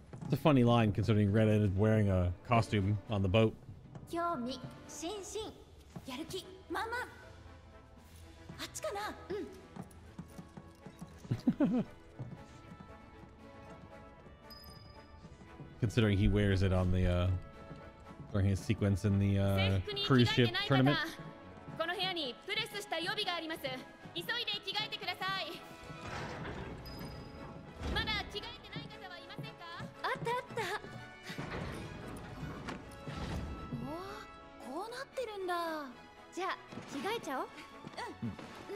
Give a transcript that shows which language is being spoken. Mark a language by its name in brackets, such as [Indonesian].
[English] It's a funny line considering Red ended wearing a costume on the boat. [Japanese] 興味津々、やる気満々。あっちかな。うん。 [English] Considering he wears it on the during his sequence in the cruise ship tournament. [Japanese] この部屋にプレスした予備があります。急いで着替えてください。まだ着替えてない方はいませんか？あったあった。おお、こうなってるんだ。じゃあ着替えちゃおう。